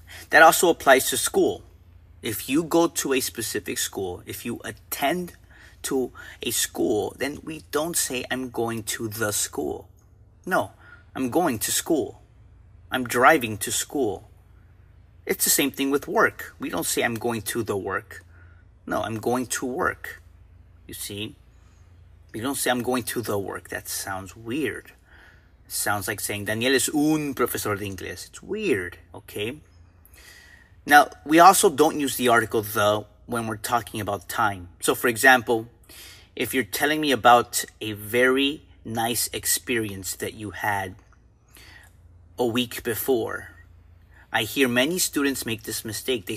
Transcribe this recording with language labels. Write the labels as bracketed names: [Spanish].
[English] That also applies to school. If you go to a specific school, if you attend to a school, then we don't say, I'm going to the school. No, I'm going to school. I'm driving to school. It's the same thing with work. We don't say, I'm going to the work. No, I'm going to work. You see? We don't say, I'm going to the work. That sounds weird. It sounds like saying, [Spanish] Daniel es un profesor de inglés. [English] It's weird, okay? Now, we also don't use the article the when we're talking about time. So, for example, if you're telling me about a very nice experience that you had a week before, I hear many students make this mistake.